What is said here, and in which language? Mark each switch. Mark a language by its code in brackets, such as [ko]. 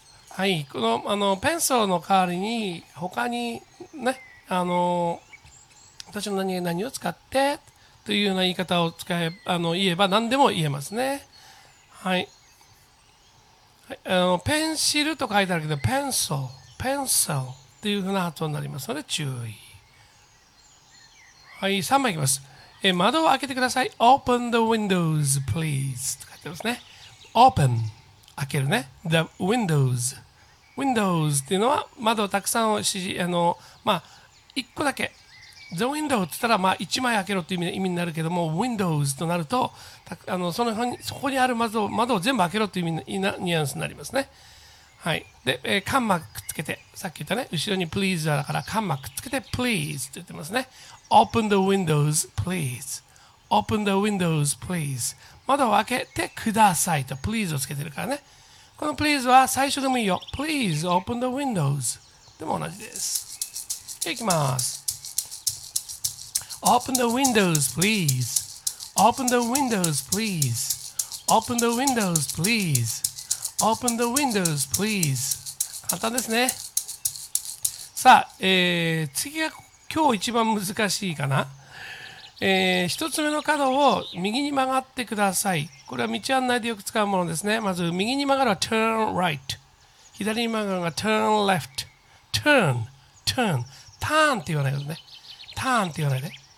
[ja] はい、この、 ペンソーの代わりに他にね、私の何を使ってというような言い方を使え、言えば何でも言えますね。はい、ペンシルと書いてあるけど、ペンソー、ペンソーというふうな発音になりますので注意。はい、3番いきます。窓を開けてください。 [en] Open the windows, please. [ja] と書いてますね。Open. 開けるね。 [en] The windows. [ja] Windows っていうのは窓をたくさん指示、まあ、1個だけ。 [en] The window [ja] って言ったら、まあ、1枚開けろっていう意味になるけども、Windows となると、その辺に、そこにある窓を全部開けろっていう意味のニュアンスになりますね。はい。で、カンマくっつけて、さっき言ったね、後ろに please だから、カンマくっつけて、please って言ってますね。 [en] Open the windows, please. Open the windows, please. [ja] 窓を開けてくださいと、please をつけてるからね。この please は最初でもいいよ。 [en] Please open the windows. [ja] でも同じです。いきます。 [en] Open the windows, please. Open the windows, please. Open the windows, please. Open the windows, please. [ja] 簡単ですね。さあ、次が今日一番難しいかな。一つ目の角を右に曲がってください。これは道案内でよく使うものですね。まず右に曲がるは [en] turn right。 [ja] 左に曲がるは [en] turn left。 [ja] turn、turn、turn って言わないよね。turn って言わないで。